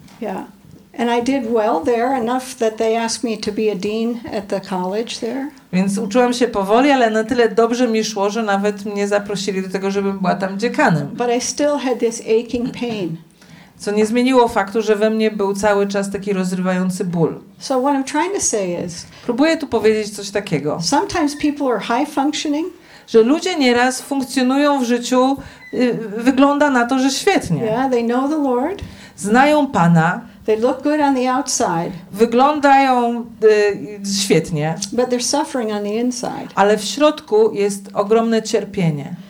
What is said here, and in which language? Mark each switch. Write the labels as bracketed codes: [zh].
[en] Yeah. And I did well there, enough that they asked me to be a dean at the college there. [pl] Więc uczyłam się powoli, ale na tyle dobrze mi szło, że nawet mnie zaprosili do tego, żebym była tam dziekanem. [en] But I still had this aching pain. [pl] Co nie zmieniło faktu, że we mnie był cały czas taki rozrywający ból. [en] So what I'm trying to say is, [pl] próbuję tu powiedzieć coś takiego. [en] Sometimes people are high functioning. [pl] Że ludzie nieraz funkcjonują w życiu, wygląda na to, że świetnie. [en] Yeah, they know the Lord. [pl] Znają Pana. [en] They look good on the outside. [pl] Wyglądają świetnie. [en] But they're suffering on the inside. [pl] Ale w środku jest ogromne cierpienie.